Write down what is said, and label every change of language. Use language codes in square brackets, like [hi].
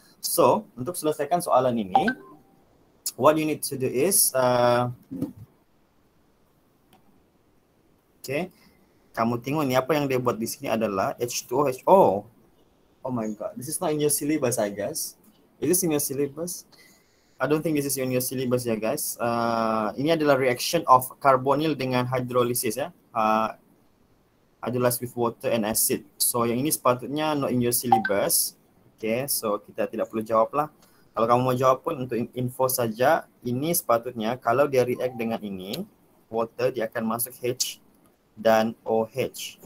[ms] So, untuk selesaikan soalan ini, [en] what you need to do is, [ms] okay, kamu tengok ni, apa yang dia buat di sini adalah H2O, H2O. [en] Oh my God, this is not in your syllabus, I guess. Is this in your syllabus? I don't think this is in your syllabus, ya, guys. [ms] Ini adalah reaction of carbonyl dengan hydrolysis, ya. [en] Hydrolyzed with water and acid. [ms] So, yang ini sepatutnya [en] not in your syllabus. [ms] Okay, so kita tidak perlu jawab lah. Kalau kamu mau jawab pun untuk info saja, ini sepatutnya kalau dia react dengan ini, water, dia akan masuk H dan OH.